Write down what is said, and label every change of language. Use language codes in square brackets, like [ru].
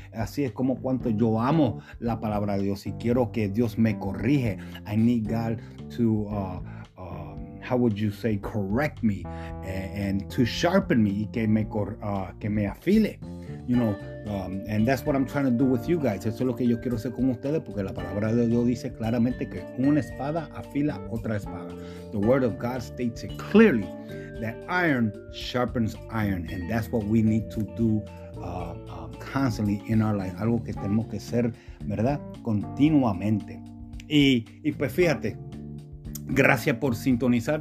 [es] Así es como cuanto yo amo la palabra de Dios. Y quiero que Dios me corrige. [en] I need God to how would you say, correct me and to sharpen me, [es] que me afile, [en] you know, and that's what I'm trying to do with you guys. [es] Eso es lo que yo quiero hacer con ustedes, porque la palabra de Dios dice claramente que una espada afila otra espada. [en] The Word of God states it clearly that iron sharpens iron, and that's what we need to do constantly in our life. [es] Algo que tenemos que hacer, ¿verdad? Continuamente. Y pues fíjate, gracias por sintonizar.